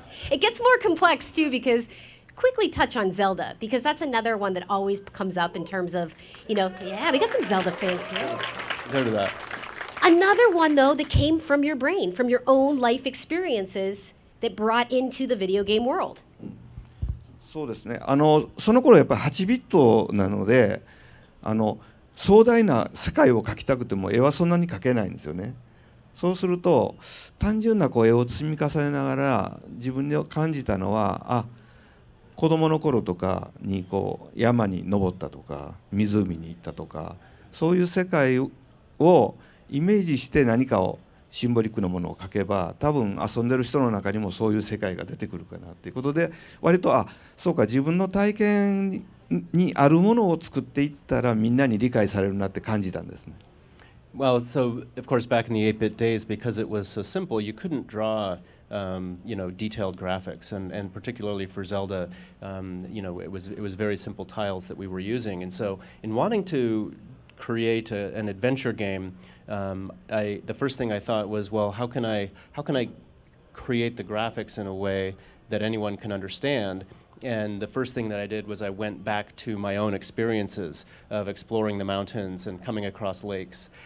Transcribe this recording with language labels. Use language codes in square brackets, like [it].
[en] It gets more complex too, because quickly touch on Zelda, because that's another one that always comes up in terms of, you know, yeah, we got some Zelda fans here. Heard of that. Another one though that came from your brain, from your own life experiences that brought into the video game world. [ja] そうですね。あの、その頃やっぱり8ビットなので、あの、壮大な世界を描きたくても絵はそんなに描けないんですよね。そうすると単純なこう絵を積み重ねながら自分で感じたのは、あ、子供の頃とかにこう山に登ったとか湖に行ったとか、そういう世界をイメージして何かをシンボリックなものを描けば、多分遊んでる人の中にもそういう世界が出てくるかなっていうことで、割と、あ、そうか、自分の体験にあるものを作っていったらみんなに理解されるなって感じたんですね。 [en] Well, so of course back in the 8-bit days, because it was so simple, you couldn't draw、you know, detailed graphics, and particularly for Zelda、you know, it was very simple tiles that we were using. And so in wanting to create an adventure game、the first thing I thought was, well, how can I create the graphics in a way that anyone can understandAnd the first thing that I did was I went back to my own experiences of exploring the mountains and coming across lakes.